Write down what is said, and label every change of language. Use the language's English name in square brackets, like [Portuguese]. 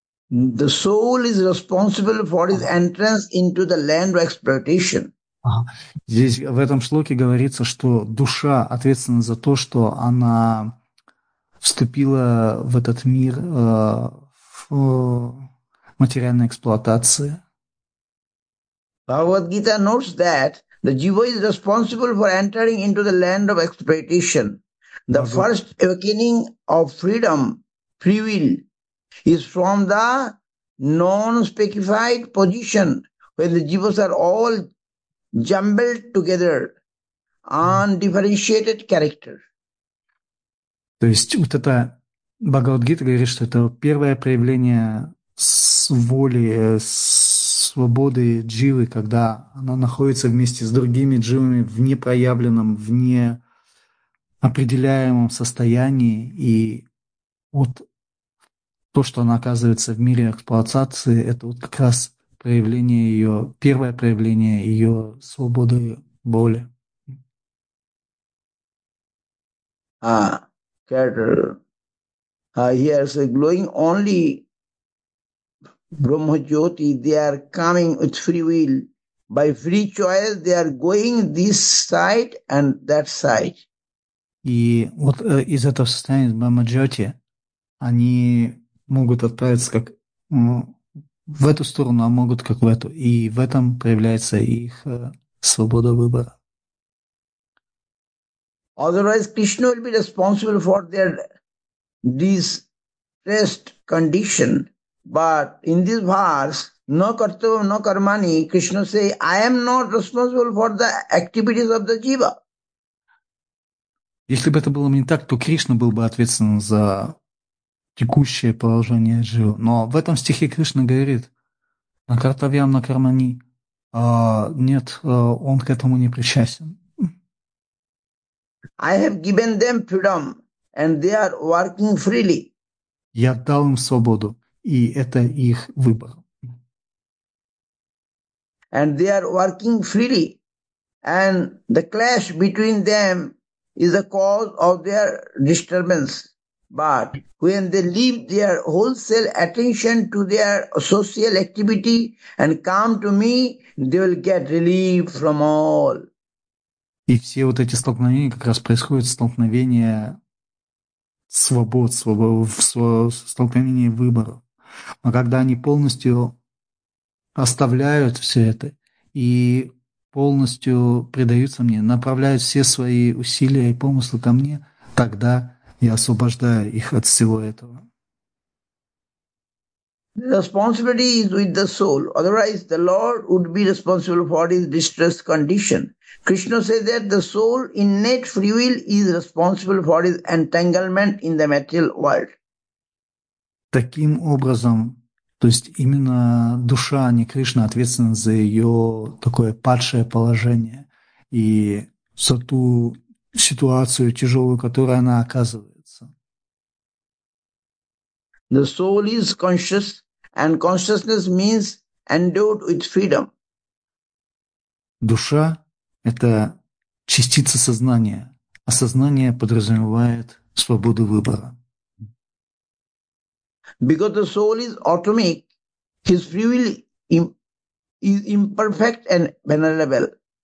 [English] The soul is responsible for his entrance into the land of exploitation. [Russian] Здесь в этом шлоке говорится, что душа ответственна за то, что она вступила в этот мир в материальной эксплуатации. [English] Bhagavad Gita notes that the jiva is responsible for entering into the land of exploitation. The first awakening of freedom, free will, is from the non-specified position where the jivas are all jumbled together, undifferentiated character. [Russian] То есть вот это Бхагавад-гита говорит, что это первое проявление воли, свободы дживы, когда она находится вместе с другими дживами в непроявленном, в неопределяемом состоянии. И вот то, что она оказывается в мире эксплуатации, это вот как раз проявление ее, первое проявление ее свободы воли. [English] Character. Here's a glowing only Brahma Jyoti. They are coming with free will. By free choice, they are going this side and that side. [Russian] И вот из этого состояния Брахма Джоти они могут отправиться как в эту сторону, а могут как в эту. И в этом проявляется их свобода выбора. [English] Otherwise, Krishna will be responsible for their distressed condition. But in this verse, no kartavam, no karmani, Krishna says, I am not responsible for the activities of the jiva. [Russian] Если бы это было не так, то Кришна был бы ответственен за текущее положение живо. Но в этом стихе Кришна говорит, на картавьям, на кармани, нет, он к этому не причастен. [English] I have given them freedom, and they are working freely. [Russian] Я дал им свободу, и это их выбор. [English] And they are working freely, and the clash between them is the cause of their disturbance. But when they leave their wholesale attention to their social activity and come to me, they will get relief from all. [Russian] И все вот эти столкновения как раз происходят, столкновения свобод, столкновение выборов. Но когда они полностью оставляют все это и полностью предаются мне, направляют все свои усилия и помыслы ко мне, тогда я освобождаю их от всего этого. [English] Responsibility is with the soul. Otherwise, the Lord would be responsible for his distressed condition. Krishna says that the soul, innate free will, is responsible for his entanglement in the material world. [Russian] Таким образом, то есть именно душа, а не Кришна, ответственна за ее такое падшее положение и за ту ситуацию тяжелую, которую она оказывается. [English] The soul is conscious. And consciousness means endowed with freedom. [Russian] Душа – это частица сознания, а сознание подразумевает свободу выбора. [English] Because the soul is atomic, his free will is imperfect and vulnerable.